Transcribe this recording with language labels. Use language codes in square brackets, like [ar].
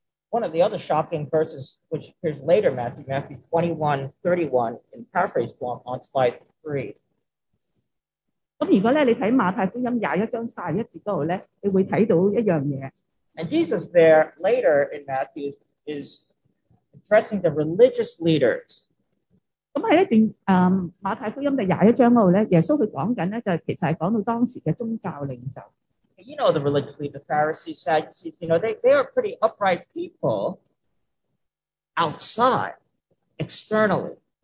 [en] One of the other shocking verses, which appears later, Matthew 21:31, in paraphrase form, on slide 3. [yue] 咁如果咧你睇马太福音21:31嗰度咧，你会睇到一样嘢。 [en] And Jesus there later in Matthew is addressing the religious leaders. [yue] 咁喺一段马太福音第21嗰度咧，耶稣佢讲紧咧就其实系讲到当时嘅宗教领袖。 [en] You know the religious leaders, the Pharisees, Sadducees, you know, they are pretty upright people outside, externally.